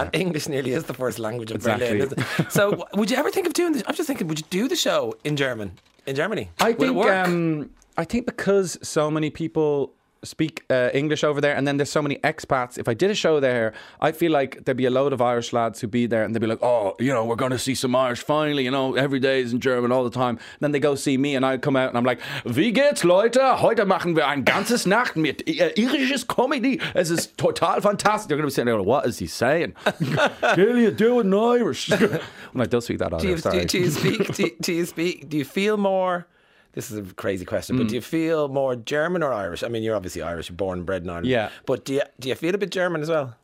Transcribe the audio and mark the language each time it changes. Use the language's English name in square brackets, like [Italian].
[English] And English nearly is the first language of Berlin. Isn't it? So would you ever think of doing this? I'm just thinking, would you do the show in German? In Germany? I think because so many people speak English over there, and then there's so many expats. If I did a show there, I feel like there'd be a load of Irish lads who'd be there, and they'd be like, oh, you know, we're going to see some Irish finally, you know, every day is in German all the time. And then they go see me and I come out and I'm like, [German] wie geht's Leute, heute machen wir ein ganzes Nacht mit irisches Comedy, es ist total fantastic. [English] They're going to be sitting there going, what is he saying? Can you do it in Irish? And I don't speak that Irish, do you feel more, this is a crazy question, but do you feel more German or Irish? I mean, you're obviously Irish, you're born and bred in Ireland. Yeah. But do you feel a bit German as well?